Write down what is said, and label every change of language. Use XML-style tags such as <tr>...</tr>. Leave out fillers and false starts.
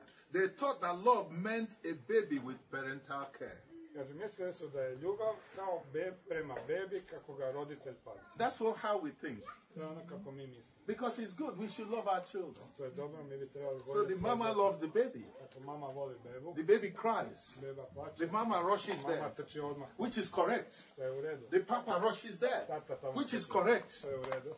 <en>They thought that love meant a baby with parental care.</en> <hr>Kaže, mislili su da je ljubav kao prema bebi kako ga roditelj pazi.</hr> <en>That's what how we think.</en> <hr>To je ono kako mi mislim.</hr> <en>Because it's good, we should love our children.</en> <hr>To je dobro, mi bi trebali voliti.</hr> <en>So the mama loves the baby.</en> <hr>Ako mama voli bebu.</hr> <en>The baby cries.</en> <hr>Beba plače.</hr> <en>The mama rushes</en> <hr>mama</hr> <en>there.</en> <hr>Mama trči odmah.</hr> <en>Which is correct.</en> <hr>To je u redu.</hr> <en>The papa rushes there.</en> <hr>Tata tamo.</hr> <en>Which is correct.</en> <hr>To je u redu.</hr>